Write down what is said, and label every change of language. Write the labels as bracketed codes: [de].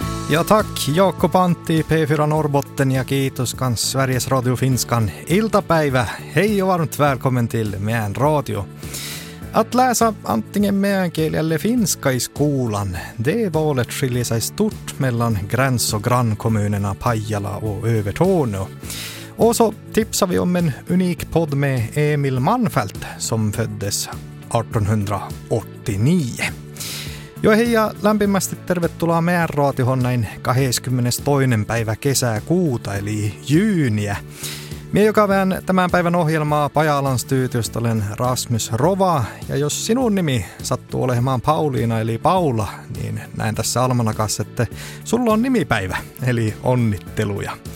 [sv] Ja tack Jakob Antti, P4 Norrbotten, [fit] ja kiitos kans [sv] Sveriges Radio Finskan iltapäivä. Hej och varmt välkommen till Mään Radio. Att läsa antingen meänkieli eller finska i skolan, det valet skiljer sig stort mellan gräns- och grannkommunerna Pajala och Övertorneå. Och så tipsar vi om en unik podd med Emil Manfelt som föddes 1889. [fit] Jo hei ja lämpimästi tervetuloa Mään Raatihon näin 22. päivä kesäkuuta eli juuniä. Mie joka vään tämän päivän ohjelmaa Pajalan studiosta olen Rasmus Rova, ja jos sinun nimi sattuu olemaan Pauliina eli Paula, niin näen tässä almanakassa, että sulla on nimipäivä, eli onnitteluja.